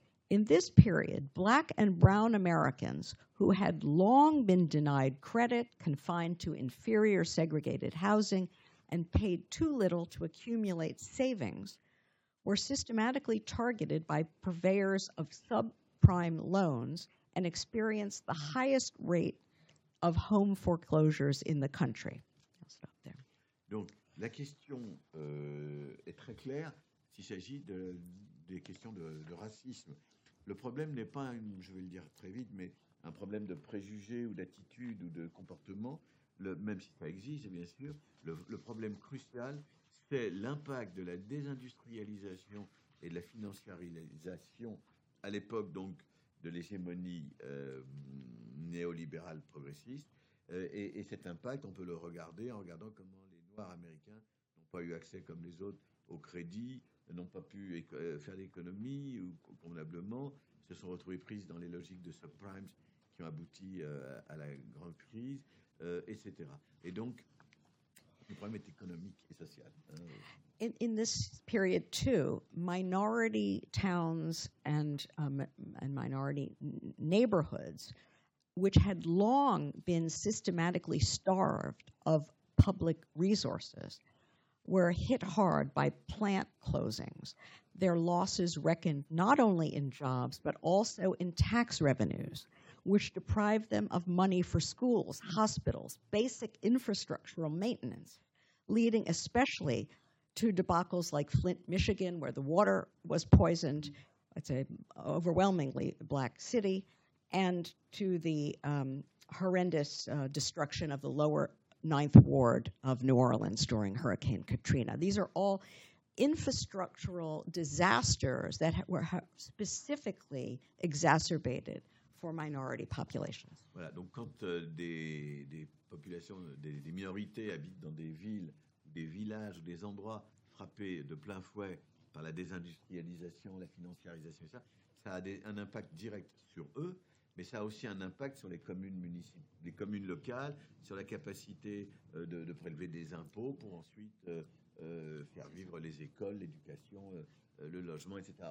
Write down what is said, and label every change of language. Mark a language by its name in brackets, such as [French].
[English] In this period, Black and Brown Americans who had long been denied credit, confined to inferior segregated housing, and paid too little to accumulate savings were systematically targeted by purveyors of subprime loans and experienced the highest rate of home foreclosures in the country. I'll stop there. [French] Donc, la question est très claire s'il s'agit des questions de racisme. Le problème n'est pas, je vais le dire très vite, mais un problème de préjugés ou d'attitude ou de comportement, même si ça existe, bien sûr. Le problème crucial, c'est l'impact de la désindustrialisation et de la financiarisation à l'époque donc de l'hégémonie néolibérale progressiste. Et cet impact, on peut le regarder en regardant comment les Noirs américains n'ont pas eu accès, comme les autres, au crédit, n'ont pas pu faire l'économie ou convenablement, se sont retrouvés pris dans les logiques de subprimes qui ont abouti à la grande crise, etc. Et donc, le problème est économique et social. [English] In this period too, minority towns and minority neighborhoods, which had long been systematically starved of public resources, were hit hard by plant closings. Their losses reckoned not only in jobs, but also in tax revenues, which deprived them of money for schools, hospitals, basic infrastructural maintenance, leading especially to debacles like Flint, Michigan, where the water was poisoned, I'd say overwhelmingly black city, and to the horrendous destruction of the lower Ninth Ward of New Orleans during Hurricane Katrina. These are all infrastructural disasters that were specifically exacerbated for minority populations. [French] Voilà, donc quand des populations, des minorités habitent dans des villes, des villages, des endroits frappés de plein fouet par la désindustrialisation, la financiarisation, ça, ça a un impact direct sur eux, mais ça a aussi un impact sur les communes municipales, les communes locales, sur la capacité de prélever des impôts pour ensuite faire vivre les écoles, l'éducation, le logement, etc.